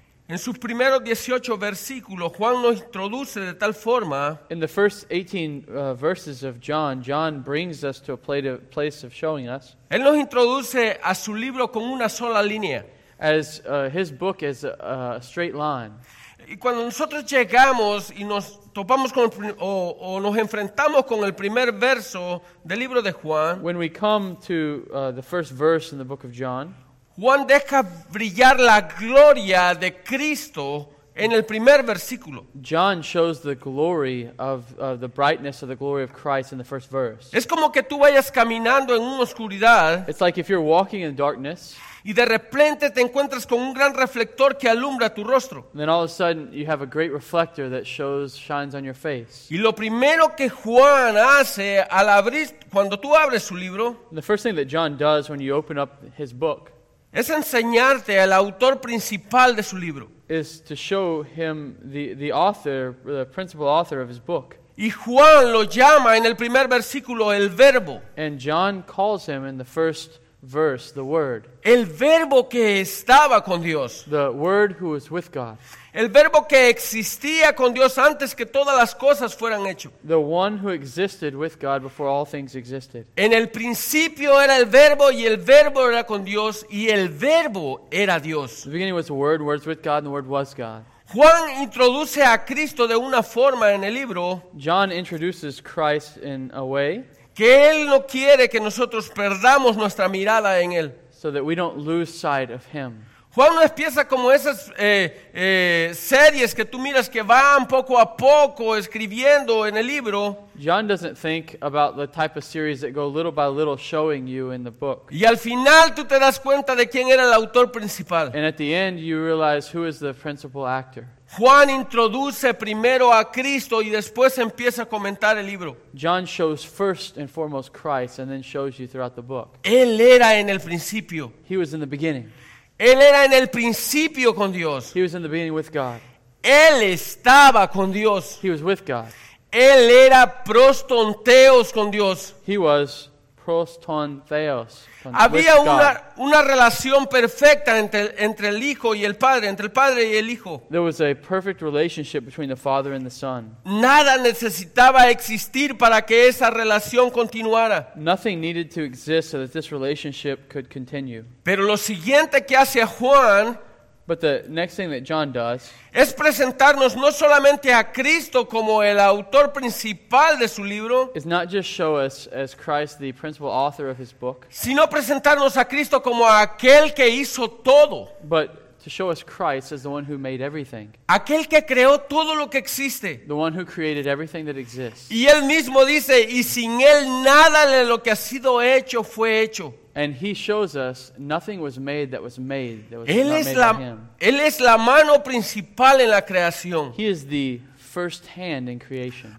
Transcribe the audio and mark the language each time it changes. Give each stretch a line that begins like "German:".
Spanish: En sus primeros 18 versículos, Juan nos introduce de tal forma.
English: In the first 18 verses of John, John brings us to a place of showing us.
Spanish: Él nos introduce a su libro con una sola línea.
English: As his book is a straight line.
Spanish: Y cuando nosotros llegamos y nos topamos con nos enfrentamos con el primer verso del libro de Juan.
English: When we come to the first verse in the book of John.
Spanish: Juan deja brillar la gloria de Cristo en el primer versículo.
English: John shows the glory of the brightness of the glory of Christ in the first verse.
Spanish: Es como que tú vayas caminando en una oscuridad.
English: It's like if you're walking in darkness.
Spanish: Y de repente te encuentras con un gran reflector que alumbra tu rostro.
English: And then all of a sudden you have a great reflector that shines on your face.
Spanish: Y lo primero que Juan hace al abrir cuando tú abres su libro.
English: And the first thing that John does when you open up his book.
Spanish: Es enseñarte al autor principal de su libro.
English: Is to show him the author, the principal author of his book.
Spanish: Y Juan lo llama en el primer versículo el verbo.
English: And John calls him in the first verse the word.
Spanish: El verbo que estaba con Dios.
English: The word who was with God.
Spanish: El verbo que existía con Dios antes que todas las cosas fueran hechas.
English: The one who existed with God before all things existed.
Spanish: En el principio era el verbo y el verbo era con Dios y el verbo era Dios.
English: The beginning was the word, words with God, and the word was God.
Spanish: Juan introduce a Cristo de una forma en el libro.
English: John introduces Christ in a way.
Spanish: Que Él no quiere que nosotros perdamos nuestra mirada en Él.
English: So that we don't lose sight of Him.
Spanish: Juan no empieza como esas series que tú miras que van poco a poco escribiendo en el libro.
English: John doesn't think about the type of series that go little by little showing you in the book.
Spanish: Y al final tú te das cuenta de quién era el autor principal.
English: And at the end you realize who is the principal actor.
Spanish: Juan introduce primero a Cristo y después empieza a comentar el libro.
English: John shows first and foremost Christ and then shows you throughout the book.
Spanish: Él era en el principio.
English: He was in the beginning.
Spanish: Él era en el principio con Dios.
English: He was in the beginning with God.
Spanish: Él estaba con Dios.
English: He was with God.
Spanish: Él era prostonteos con Dios.
English: He was prostonteos.
Spanish: Había una relación perfecta entre el hijo y el padre, entre el padre y el hijo.
English: There was a perfect relationship between the father and the son.
Spanish: Nada necesitaba existir para que esa relación continuara.
English: Nothing needed to exist so that this relationship could continue.
Spanish: Pero lo siguiente que hace Juan,
English: but the next thing that John does,
Spanish: es presentarnos no solamente a Cristo como el autor principal de su libro,
English: is not just show us as Christ the principal author of his book,
Spanish: sino presentarnos a Cristo como aquel que hizo todo,
English: but to show us Christ as the one who made everything,
Spanish: aquel que creó todo lo que existe,
English: the one who created everything that exists.
Spanish: Y él mismo dice, y sin él nada de lo que ha sido hecho fue hecho.
English: And he shows us nothing was made that was made that was
Spanish: él
English: not
Spanish: es
English: made
Spanish: la,
English: by him.
Spanish: Él es la mano principal en la creación.
English: He is the first hand in creation.